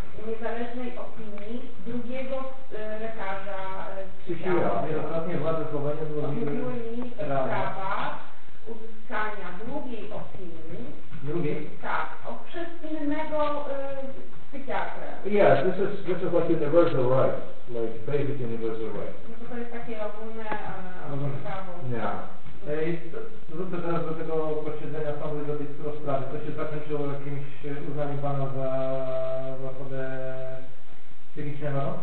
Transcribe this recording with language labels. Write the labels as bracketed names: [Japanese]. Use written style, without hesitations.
[Polish] Niezależnej opinii drugiego lekarza psychiatra. Wielokrotnie władze Słowenii odmówiły mi prawa uzyskania drugiej opinii. Drugiej? Tak, przez innego psychiatrę. [English] Yes, this is like universal right, like basic universal right. [Polish] No to jest takie ogólne prawo. [English] Yeah. [Polish] Wrócę teraz do tego posiedzenia sądu i do tej sprawy. To się zakończyło jakimś uznaniem pana za zasadę psychiczną?